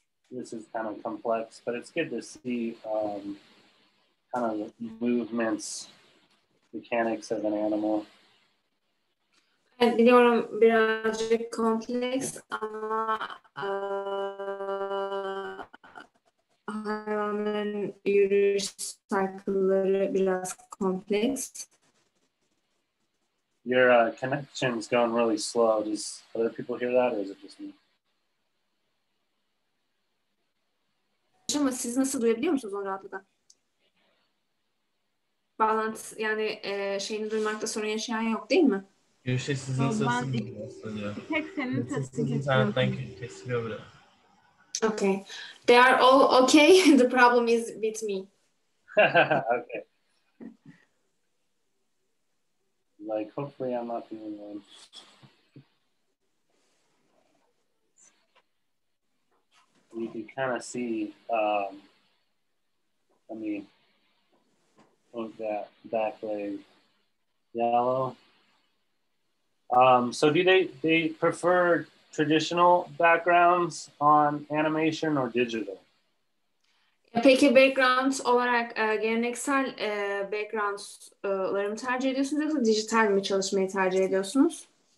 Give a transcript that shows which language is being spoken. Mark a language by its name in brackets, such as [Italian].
[English] This is kind of complex, but it's good to see kind of movements, mechanics of an animal. [Turkish] Evet, biliyorum birazcık kompleks ama hayvanların yürüyüş cycle'ları biraz kompleks. [English] Your connection's going really slow. Does other people hear that, or is it just me? [Turkish] Ama siz nasıl duyabiliyor musunuz onu rahatlıkla? Bağlantı, yani şeyini duymakta sorun yaşayan yok değil mi? Gülşe, sizin sesini kesiliyor. [English] Okay. They are all okay. The problem is with me. Okay. Like, hopefully I'm not the only one. We can kind of see, let me move that back leg yellow. So do they prefer traditional backgrounds on animation or digital? [Turkish] Peki backgrounds olarak geleneksel backgroundları mı tercih ediyorsunuz yoksa dijital mi çalışmayı tercih ediyorsunuz?